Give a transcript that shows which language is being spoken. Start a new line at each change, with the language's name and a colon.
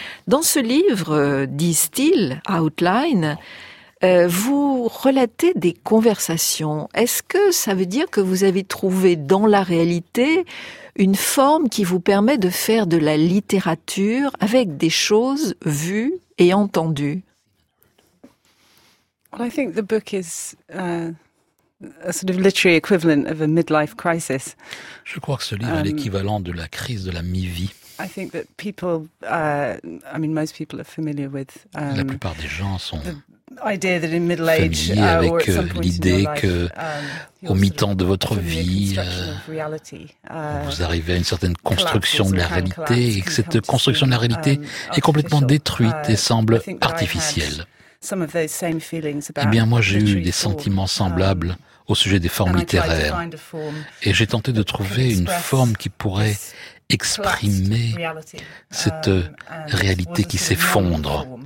French: Dans ce livre, disent-ils, Outline, vous relatez des conversations. Est-ce que ça veut dire que vous avez trouvé dans la réalité une forme qui vous permet de faire de la littérature avec des choses vues et entendues?
English: Well, I think the book is a sort of literary equivalent of a midlife crisis.
French: Je crois que ce livre est l'équivalent de la crise de la mi-vie.
English: I think that people, most people are familiar with.
French: La plupart des gens sont
English: idea that in middle age,
French: familier avec l'idée que, au mi-temps de votre vie, vous arrivez à une certaine construction de la réalité et que cette construction de la réalité est complètement détruite et semble artificielle. Eh bien, moi, j'ai eu des sentiments semblables au sujet des formes littéraires et j'ai tenté de trouver une forme qui pourrait exprimer cette réalité qui s'effondre.